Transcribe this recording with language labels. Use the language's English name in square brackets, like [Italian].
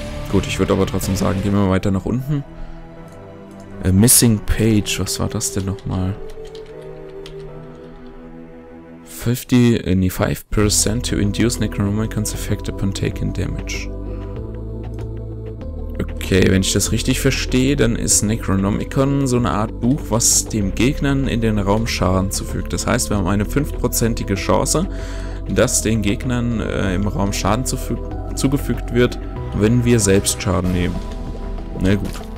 [German] Gut, ich würde aber trotzdem sagen, gehen wir weiter nach unten. A missing page. Was war das denn nochmal? [English] 5% to induce Necronomicon's effect upon taking damage. [German] Okay, wenn ich das richtig verstehe, dann ist Necronomicon so eine Art Buch, was dem Gegnern in den Raum Schaden zufügt. Das heißt, wir haben eine 5%ige Chance, dass den Gegnern im Raum Schaden zugefügt wird, wenn wir selbst Schaden nehmen. Na gut.